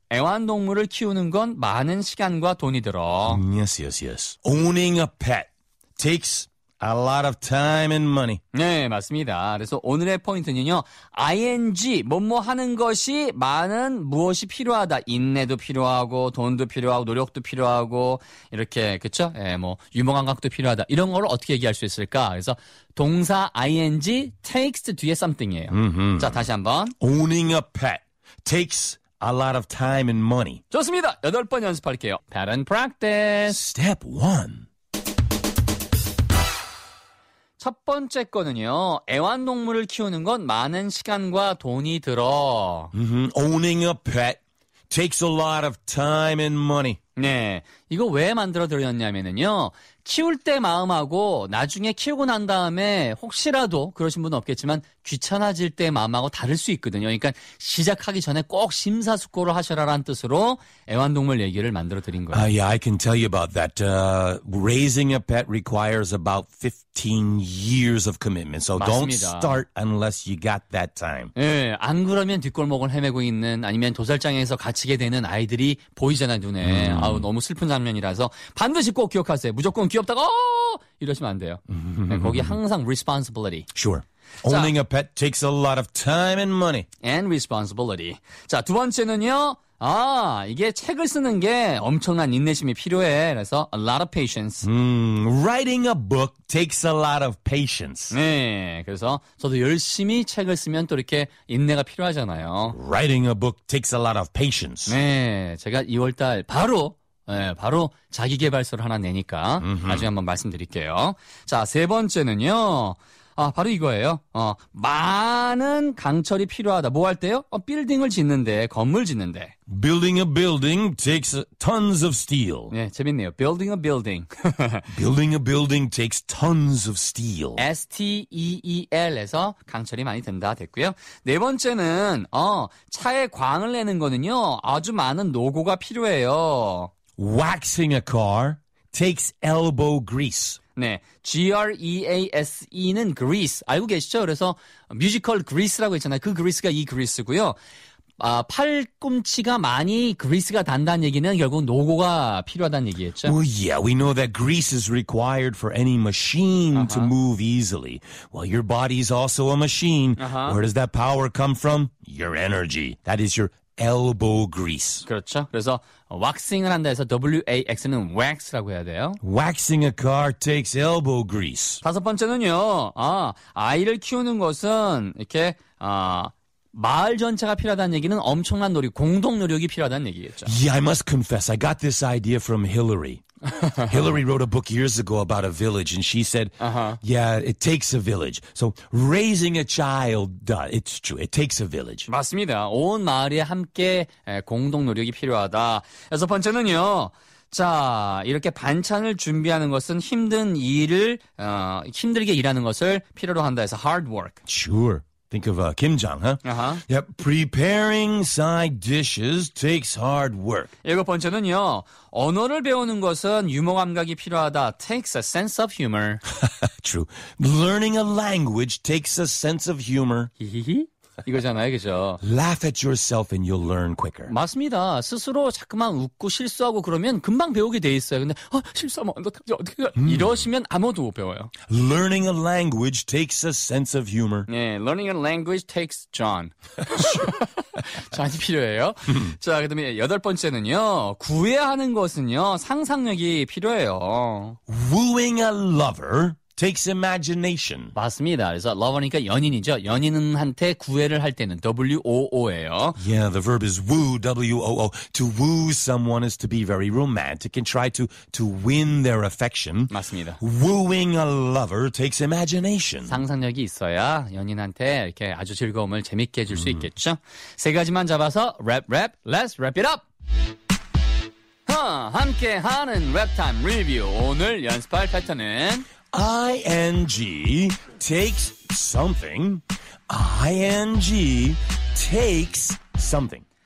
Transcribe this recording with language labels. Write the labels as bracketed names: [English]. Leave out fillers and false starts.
[Korean] 애완동물을 키우는 건 많은 시간과 돈이 들어. [English] Yes, yes, yes. Owning a pet takes a lot of time and money. [Korean] 네, 맞습니다. 그래서 오늘의 포인트는요. ing, 뭐뭐 하는 것이 많은 무엇이 필요하다. 인내도 필요하고 돈도 필요하고 노력도 필요하고 이렇게 그렇죠? 예, 뭐 유머 감각도 필요하다. 이런 걸 어떻게 얘기할 수 있을까? 그래서 동사 [English] ing takes [Korean] 뒤에 something이에요. Mm-hmm. 자, 다시 한번. [English] Owning a pet takes a lot of time and money. [Korean] 좋습니다. 여덟 번 연습할게요. [English] Pattern practice. Step 1. [Korean] 첫 번째 거는요. 애완동물을 키우는 건 많은 시간과 돈이 들어. Mm-hmm. [English] Owning a pet takes a lot of time and money. [Korean] 네. 이거 왜 만들어 드렸냐면요. 키울 때 마음하고 나중에 키우고 난 다음에 혹시라도 그러신 분은 없겠지만 귀찮아질 때 마음하고 다를 수 있거든요. 그러니까 시작하기 전에 꼭 심사숙고를 하셔라라는 뜻으로 애완동물 얘기를 만들어 드린 거예요. [English] Yeah, I can tell you about that. Raising a pet requires about 15 years of commitment. So [Korean] 맞습니다. [English] Don't start unless you got that time. [Korean] 네, 안 그러면 뒷골목을 헤매고 있는 아니면 도살장에서 갇히게 되는 아이들이 보이잖아요, 눈에. 아우, 너무 슬픈 장면이라서 반드시 꼭 기억하세요. 무조건 귀엽다고 이러시면 안 돼요. 네, 거기 항상 responsibility. [English] Sure. Owning 자, a pet takes a lot of time and money. And responsibility. [Korean] 자, 두 번째는요. 아, 이게 책을 쓰는 게 엄청난 인내심이 필요해. 그래서 [English] a lot of patience. Writing a book takes a lot of patience. [Korean] 네, 그래서 저도 열심히 책을 쓰면 또 이렇게 인내가 필요하잖아요. [English] Writing a book takes a lot of patience. [Korean] 네, 제가 2월 달 바로 예, 네, 바로 자기 개발서를 하나 내니까 음흠. 나중에 한번 말씀드릴게요. 자, 세 번째는요. 아, 바로 이거예요. 많은 강철이 필요하다. 뭐 할 때요? 빌딩을 짓는데, 건물 짓는데. [English] Building a building takes tons of steel. [Korean] 네, 재밌네요. [English] Building a building. Building a building takes tons of steel. [Korean] S-T-E-E-L에서 강철이 많이 든다 됐고요. 네 번째는 차에 광을 내는 거는요. 아주 많은 노고가 필요해요. [English] Waxing a car takes elbow grease. [Korean] 네, G-R-E-A-S-E는 grease. 알고 계시죠? 그래서 뮤지컬 그리스라고 했잖아요. 그 그리스가 이 그리스고요. 아, 팔꿈치가 많이 그리스가 단다는 얘기는 결국 노고가 필요하다는 얘기였죠. [English] Well, yeah, we know that grease is required for any machine to move easily. Well, your body is also a machine. Where does that power come from? Your energy. That is your elbow grease. [Korean] 그렇죠. 그래서 왁싱을 한다 해서 wax는 wax라고 해야 돼요. [English] Waxing a car takes elbow grease. [Korean] 다섯 번째는요. 아, 아이를 키우는 것은 이렇게 마을 전체가 필요하다는 얘기는 엄청난 노력, 공동 노력이 필요하다는 얘기겠죠. [English] Yeah, I must confess. I got this idea from Hillary. Hillary wrote a book years ago about a village, and she said, yeah, it takes a village. So raising a child, it's true. It takes a village. [Korean] 맞습니다. 온 마을이 함께 공동 노력이 필요하다. 여섯 번째는요. 자, 이렇게 반찬을 준비하는 것은 힘든 일을, 힘들게 일하는 것을 필요로 한다 해서 hard work. [English] Sure. Think of Kim Jong, huh? Yep, preparing side dishes takes hard work. [Korean] 일곱 번째는요. 언어를 배우는 것은 유머 감각이 필요하다. [English] Takes a sense of humor. True. Learning a language takes a sense of humor. [Korean] 이거잖아요, 그죠? [English] Laugh at yourself and you'll learn quicker. [Korean] 맞습니다. 스스로 자꾸만 웃고 실수하고 그러면 금방 배우게 돼 있어요. 근데 실수하면 어떻게 이러시면 아무도 못 배워요. [English] Learning a language takes a sense of humor. 네, learning a language takes John. [Korean] 잘 필요해요. 자, 그다음에 여덟 번째는요. 구해야 하는 것은요. 상상력이 필요해요. [English] Wooing a lover takes imagination. [Korean] 맞습니다. 그래서 lover니까 연인이죠. 연인한테 구애를 할 때는 woo예요. [English] Yeah, the verb is woo, woo. To woo someone is to be very romantic and try to win their affection. [Korean] 맞습니다. [English] Wooing a lover takes imagination. [Korean] 상상력이 있어야 연인한테 이렇게 아주 즐거움을 재밌게 해줄 수 있겠죠. 세 가지만 잡아서 랩, [English] rap, let's wrap it up. [Korean] 함께하는 랩 타임 리뷰. 오늘 연습할 패턴은 [English] ing takes something. ing takes something.